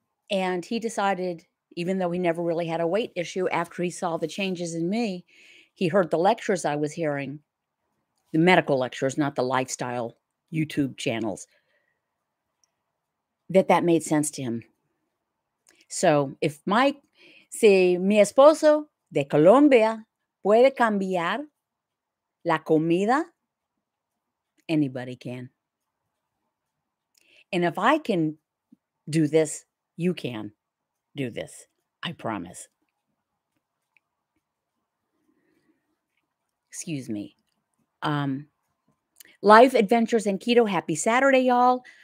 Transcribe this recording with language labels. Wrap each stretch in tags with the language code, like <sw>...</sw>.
<en>And he decided, even though he never really had a weight issue, after he saw the changes in me, he heard the lectures I was hearing, the medical lectures, not the lifestyle YouTube channels, that made sense to him. So if</en> <es>mi esposo de Colombia puede cambiar la comida,</es> <en>anybody can. And if I can do this, you can do this. I promise. Excuse me. Life Adventures and Keto. Happy Saturday, y'all.</en>